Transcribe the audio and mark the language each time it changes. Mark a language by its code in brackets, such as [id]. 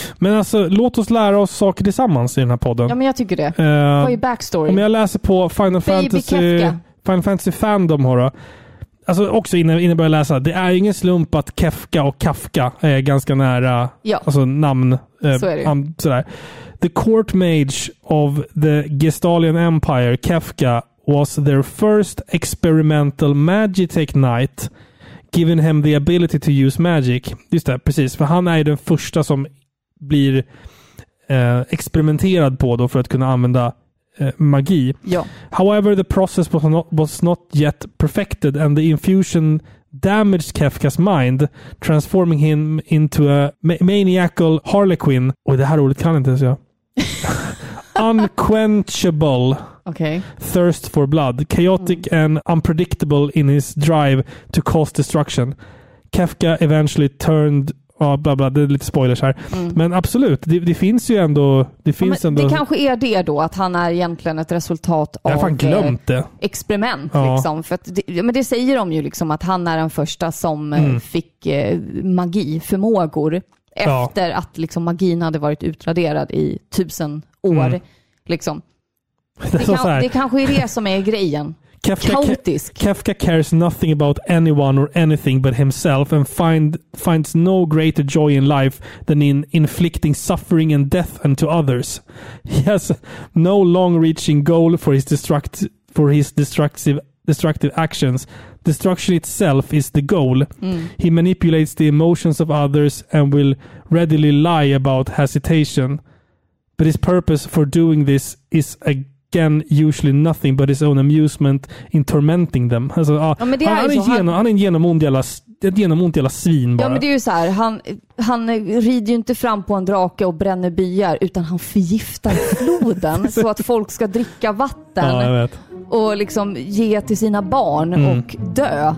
[sv] Men alltså, låt oss lära oss saker tillsammans i den här podden. Ja, men jag tycker det. Vad är backstory? Om jag läser på Final Fantasy Fandom. Alltså också innan jag läsa. Det är ju ingen slump att Kefka och Kafka är ganska nära alltså namn. Så är det. Sådär. [en] The court mage of the Gestalian Empire, Kefka, was their first experimental Magitek knight, given him the ability to use magic. [sv] Just det, precis. För han är ju den första som blir experimenterad på då för att kunna använda magi. Ja. [en] However, the process was not yet perfected and the infusion damaged Kefka's mind, transforming him into a maniacal harlequin. [sv] Oj, det här ordet kan inte ens jag. [en] Unquenchable. Okay. Thirst for blood. Chaotic and unpredictable in his drive to cause destruction. Kefka eventually turned... [sv] Oh, blah, blah, det är lite spoilers här. Mm. Men absolut, det finns ju ändå... Det finns ändå. Det kanske är det då, att han är egentligen ett resultat av... Jag har fan glömt det. Experiment, liksom. För att det säger de ju liksom att han är den första som fick magi, förmågor, efter att liksom magin hade varit utraderad i 1000 år. Mm. Liksom. Det kanske är det som är grejen. Kaotisk. [en] Kafka cares nothing about anyone or anything but himself and finds no greater joy in life than in inflicting suffering and death unto others. He has no long-reaching goal for his destructive actions. Destruction itself is the goal. Mm. He manipulates the emotions of others and will readily lie about hesitation. But his purpose for doing this is again usually nothing but his own amusement in tormenting them. [sv] Alltså, ja, men det han är en genomond jävla svin bara. Ja, men det är ju så här, han rider ju inte fram på en drake och bränner byar, utan han förgiftar floden så att folk ska dricka vatten. Ja, jag vet. Och liksom ge till sina barn och dö.